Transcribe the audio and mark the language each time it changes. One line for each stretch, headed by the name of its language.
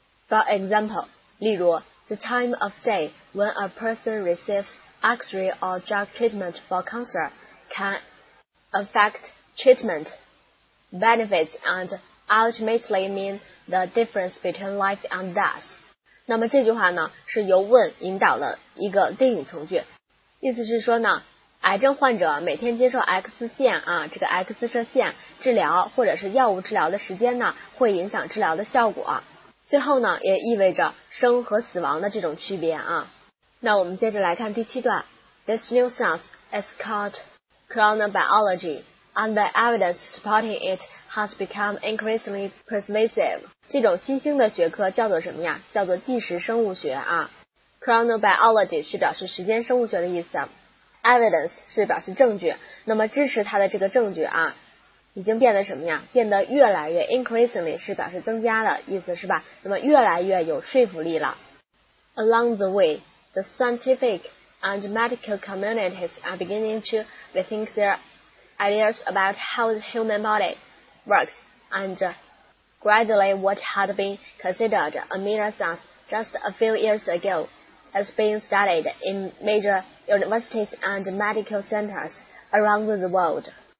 English: For example，
Chinese: 例如
English: the time of day when a person receives x-ray or drug treatment for cancer can affect treatmentbenefits and ultimately mean the difference between life and death。
Chinese: 那么这句话呢是由问引导了一个定语从句，意思是说呢癌症患者每天接受 X 线啊这个 X 射线治疗或者是药物治疗的时间呢会影响治疗的效果、啊、最后呢也意味着生和死亡的这种区别啊。那我们接着来看第七段。
English: This new science is called chronobiologyAnd the evidence supporting it has become increasingly persuasive。
Chinese: 这种新兴的学科叫做什么呀？叫做计时生物学啊。Chronobiology 是表示时间生物学的意思， evidence 是表示证据，那么支持它的这个证据啊已经变得什么呀？变得越来越， increasingly 是表示增加的意思，是吧？那么越来越有说服力了。
English: Along the way the scientific and medical communities are beginning to rethink their ideas about how the human body works and gradually what had been considered a minor science just a few years ago is being studied in major universities and medical centers around the world。